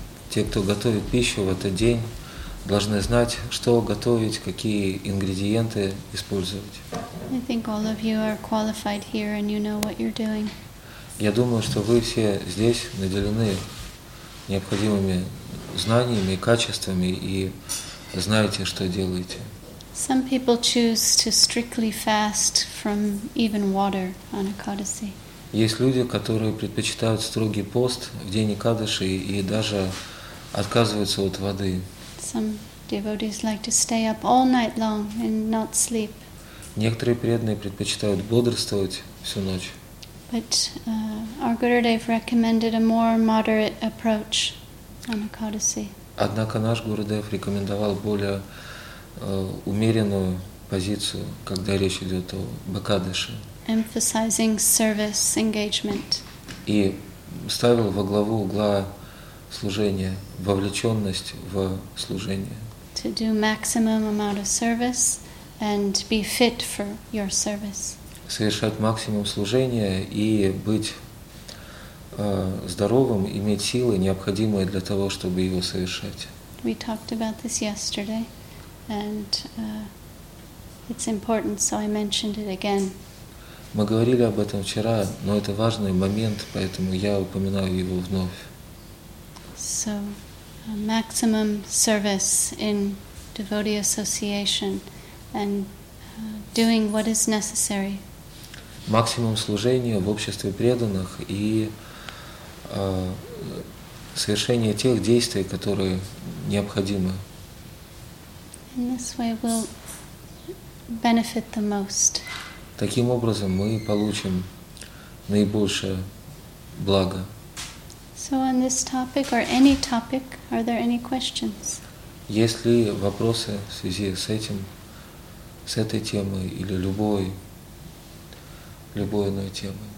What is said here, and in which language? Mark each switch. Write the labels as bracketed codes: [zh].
[ru] Те, кто готовит пищу в этот день, должны знать, что готовить, какие ингредиенты использовать. [en] I think all of you are qualified here and you know what you're doing. [ru] Я думаю, что вы все здесь наделены необходимыми знаниями, качествами и знаете, что делаете. [en] Some people choose to strictly fast from even water on Ekadasi. [ru] Есть люди, которые предпочитают строгий пост в день Экадаши и даже отказываются от воды. [en] Some devotees like to stay up all night long and not sleep. [ru] Некоторые преданные предпочитают бодрствовать всю ночь. [en] But our Gurudev recommended a more moderate approach on Ekadasi. [ru] Однако наш Гурудев рекомендовал более умеренную позицию, когда речь идет о Экадаши. [en] Emphasizing service engagement. [ru] И ставил во главу угла служение, вовлеченность в служение. [en] To do maximum amount of service and be fit for your service. [ru] Совершать максимум служения и быть здоровым, иметь силы, необходимые для того, чтобы его совершать. [en] We talked about this yesterday, and it's important, so I mentioned it again. [ru] Мы говорили об этом вчера, но это важный момент, поэтому я упоминаю его вновь. [en] So, maximum service in devotee association and doing what is necessary. [ru] Максимум служения в обществе преданных и совершение тех действий, которые необходимы. [en] In this way we'll benefit the most. [ru] Таким образом мы получим наибольшее благо. [en] So on this topic or any topic, are there any questions? [ru] Есть ли вопросы в связи с этим, с этой темой или любой иной темой?